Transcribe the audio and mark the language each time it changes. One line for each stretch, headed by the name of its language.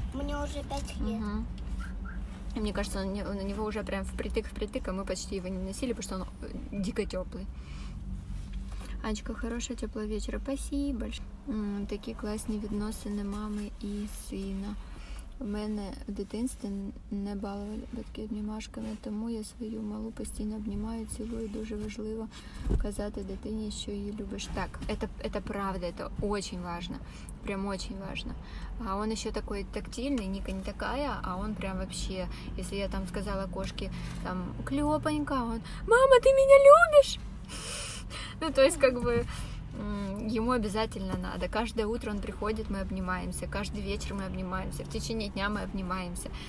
Russian: Мне уже 5 лет. Угу. Мне кажется, он на него уже прям впритык-впритык, а мы почти его не носили, потому что он дико теплый. Анечка, хорошего теплого вечера. Спасибо большое. Такие классные видносины мамы и сына.
Ukrainian: У мене в дитинстві не балували батьки обнімашками, тому я свою малу постійно обнімаю, цілую. Дуже важливо казати дитині, що її любиш. Так, це правда, це дуже важливо, прям дуже важливо. А він ще такий тактильний, Ніка не така, а він прям взагалі, якщо я там сказала кошці, там, кльопанька, він, мама, ти мене любиш?
Russian: Ну,
Ukrainian: тобто, як би...
Russian: Ему обязательно надо. Каждое утро он приходит, мы обнимаемся. Каждый вечер мы обнимаемся. В течение дня мы обнимаемся.